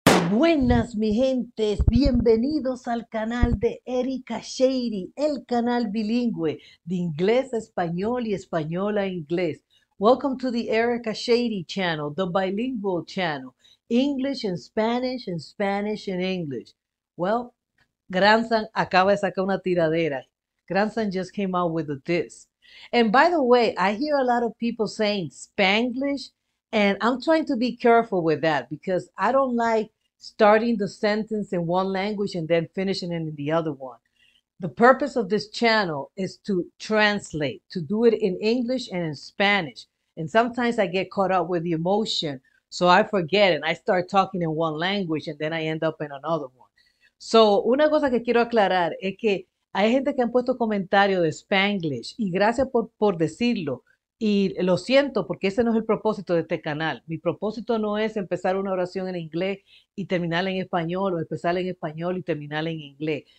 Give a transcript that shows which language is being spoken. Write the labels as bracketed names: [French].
[Spanish] Buenas, mi gente, bienvenidos al canal de Erika Shady, el canal bilingüe de inglés a español y español a inglés. [English] Welcome to the Erika Shady channel, the bilingual channel, English and Spanish and English. [Spanish] Well, Grandson acaba de sacar una tiradera. [English] Grandson just came out with a diss. And by the way, I hear a lot of people saying Spanglish, and I'm trying to be careful with that because I don't like starting the sentence in one language and then finishing it in the other one. The purpose of this channel is to translate, to do it in English and in Spanish. And sometimes I get caught up with the emotion, so I forget and I start talking in one language and then I end up in another one. So, [Spanish] una cosa que quiero aclarar es que hay gente que han puesto comentarios de Spanglish y gracias por decirlo. Y lo siento porque ese no es el propósito de este canal. Mi propósito no es empezar una oración en inglés y terminarla en español o empezar en español y terminarla en inglés.